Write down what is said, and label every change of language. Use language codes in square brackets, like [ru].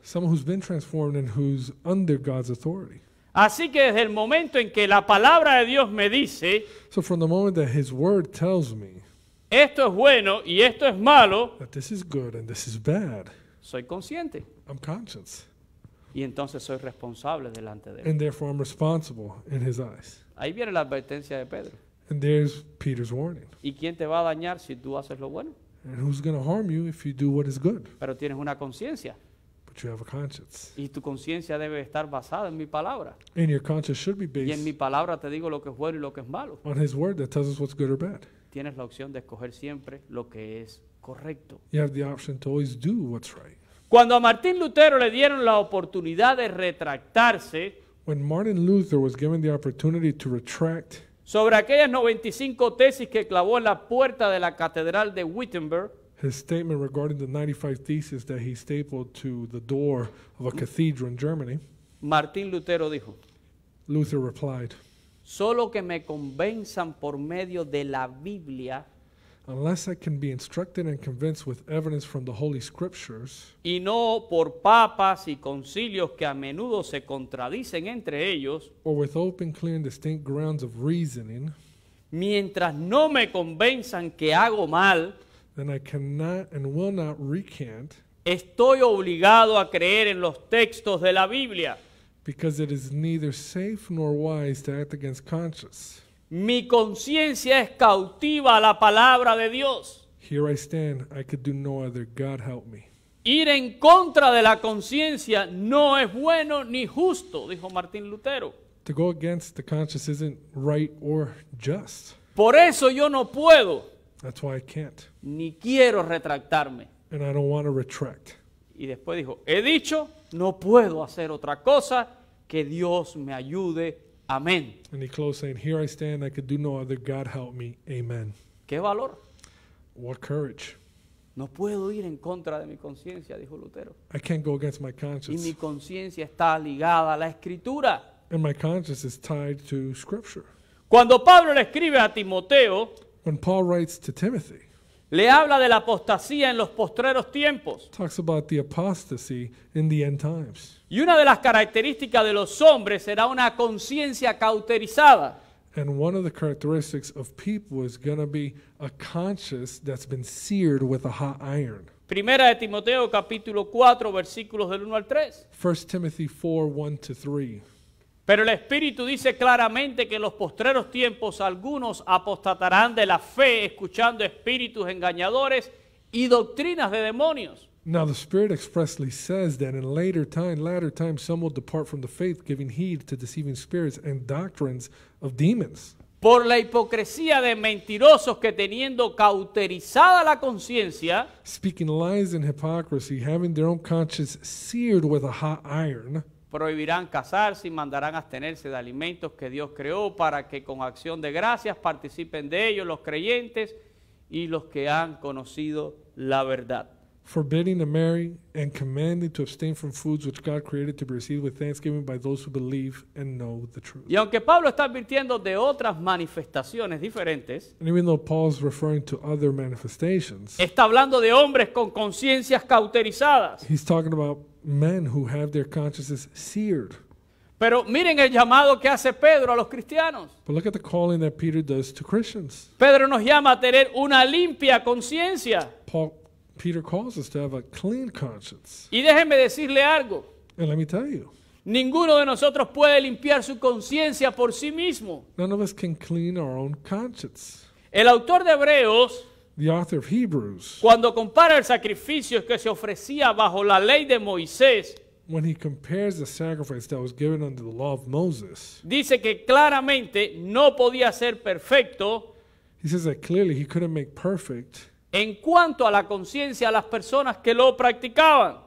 [en] Someone who's been transformed and who's under God's authority. [es] Así que desde el momento en que la palabra de Dios me dice. [en] So from the moment that His Word tells me. [es] Esto es bueno y esto es malo. [en] But this is good and this is bad. [es] Soy consciente. [en] I'm conscious. [es] Y entonces soy responsable delante de él. [en] And therefore I'm responsible in his eyes. [es] Ahí viene la advertencia de Pedro. [en] And there's Peter's warning. [es] ¿Y quién te va a dañar si tú haces lo bueno? [en] And who's going to harm you if you do what is good? [es] Pero tienes una conciencia. [en] But you have a conscience. [es] Y tu conciencia debe estar basada en mi palabra. [en] And your conscience should be based. [es] Y en mi palabra te digo lo que es bueno y lo que es malo. [en] On his word that tells us what's good or bad. [es] Tienes la opción de escoger siempre lo que es correcto. [en] You have the option to always do what's right. [es] Cuando a Martín Lutero le dieron la oportunidad de retractarse. [en] When Martin Luther was given the opportunity to retract. [es] Sobre aquellas 95 tesis que clavó en la puerta de la catedral de Wittenberg. [en] His statement regarding the 95 theses that he stapled to the door of a cathedral in Germany. [es] Martín Lutero dijo. [en] Luther replied. [es] Solo que me convenzan por medio de la Biblia. [en] unless I can be instructed and convinced with evidence from the Holy Scriptures, [es] y no por papas y concilios que a menudo se contradicen entre ellos, [en] or with open, clear, and distinct grounds of reasoning, [es] mientras no me convenzan que hago mal, [en] then I cannot and will not recant, [es] estoy obligado a creer en los textos de la Biblia, [en] because it is neither safe nor wise to act against conscience. [es] Mi conciencia es cautiva a la palabra de Dios. [en] Here I stand, I could do no other. God help me. [es] Ir en contra de la conciencia no es bueno ni justo, dijo Martín Lutero. [en] To go against the conscience isn't right or just. [es] Por eso yo no puedo. [en] That's why I can't. [es] Ni quiero retractarme. [en] And I don't want to retract. [es] Y después dijo, he dicho, no puedo hacer otra cosa que Dios me ayude. Amén. [en] And he closed saying, here I stand, I could do no other. God help me. Amen. [es] ¿Qué valor? [en] What courage? [es] No puedo ir en contra de mi conciencia, dijo Lutero. [en] I can't go against my conscience. [es] Y mi conciencia está ligada a la Escritura. [en] And my conscience is tied to Scripture. [es] Cuando Pablo le escribe a Timoteo, [en] when Paul writes to Timothy, [es] le habla de la apostasía en los postreros tiempos. [en] Talks about the apostasy in the end times. [es] Y una de las características de los hombres será una conciencia cauterizada. [en] And one of the characteristics of people is going to be a conscience that's been seared with a hot iron. [es] Primera de Timoteo capítulo 4 versículos del 1 al 3. [en] 1 Timothy 4, 1 to 3. [es] Pero el Espíritu dice claramente que en los postreros tiempos algunos apostatarán de la fe escuchando espíritus engañadores y doctrinas de demonios. [en] Now the Spirit expressly says that in latter times some will depart from the faith, giving heed to deceiving spirits and doctrines of demons. [es] Por la hipocresía de mentirosos que teniendo cauterizada la conciencia, [en] speaking lies and hypocrisy, having their own conscience seared with a hot iron, [es] prohibirán casarse y mandarán abstenerse de alimentos que Dios creó para que con acción de gracias participen de ellos los creyentes y los que han conocido la verdad. [en] Forbidding to marry and commanding to abstain from foods which God created to be received with thanksgiving by those who believe and know the truth. [es] Y aunque Pablo está advirtiendo de otras manifestaciones diferentes, [en] and even though Paul's referring to other manifestations, [es] está hablando de hombres con conciencias cauterizadas. [en] He's talking about men who have their consciences seared. [es] Pero miren el llamado que hace Pedro a los cristianos. [en] But look at the calling that Peter does to Christians. [es] Pedro nos llama a tener una limpia conciencia. [en] Peter calls us to have a clean conscience. [es] Y déjenme decirle algo. [en] And let me tell you. [es] Ninguno de nosotros puede limpiar su conciencia por sí mismo. [en] None of us can clean our own conscience. [es] El autor de Hebreos, [en] the author of Hebrews, [es] cuando compara el sacrificio que se ofrecía bajo la ley de Moisés, [en] when he compares the sacrifice that was given under the law of Moses, [es] dice que claramente no podía ser perfecto. [en] He says that clearly he couldn't make perfect. [es] En cuanto a la conciencia de las personas que lo practicaban.